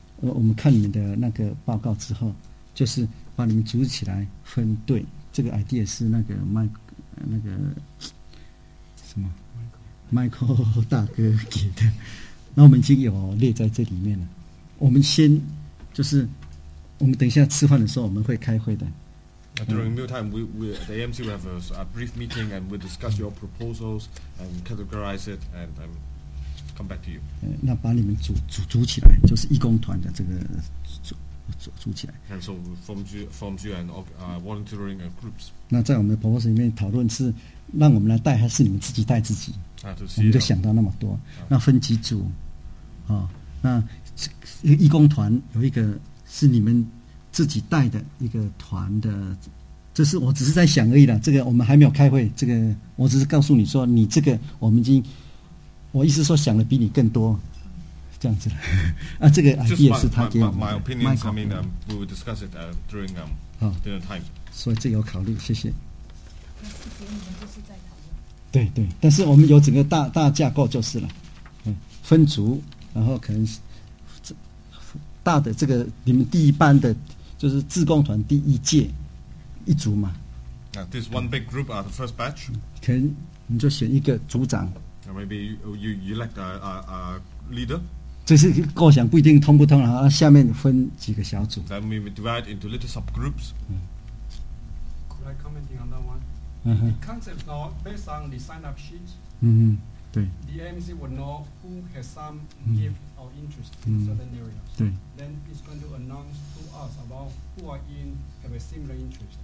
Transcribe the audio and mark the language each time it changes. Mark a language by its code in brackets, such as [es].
[zh] 我们看你们的那个报告之后，就是把你们组织起来分队。这个 idea 是那个麦那个什么 Michael 大哥给的，那我们已经有列在这里面了。我们先就是我们等一下吃饭的时候我们会开会的。 [en] During meal time, we the AMC we have a brief meeting and we discuss your proposals and categorize it and come back to you. [zh] 那把你们组起来，就是义工团的这个组起来。 [en] And so formed you and volunteering groups. [zh] 那在我们的 proposal 里面讨论是让我们来带还是你们自己带自己？我们就想到那么多。那分几组？啊、哦，那义工团有一个是你们。自己带的一个团的，这是我只是在想而已啦，这个我们还没有开会，这个我只是告诉你说你这个我们已经，我意思说想的比你更多这样子啦。啊，这个 idea 是他给我们 [en] my opinion I mean we will discuss it during dinner time， [zh] 所以这有考虑，谢谢。那是给你们就是在讨论，对对，但是我们有整个大架构就是了，分组，然后可能大的这个你们第一班的就是志工团第一届一组嘛。 [en] This one big group are the first batch. [zh] 可能你就选一个组长。 [en] Maybe you elect a leader. [zh] 这是构想，不一定通不通，然后下面分几个小组。 [en] Then we divide into little subgroups. Could I comment on that one? The concept now based on the sign up sheet. [zh] 对。 [en] The AMC will know who has some gift or interest in certain area. [zh] 对。 [en] Then it's going to announce to us about who are in have a similar interest.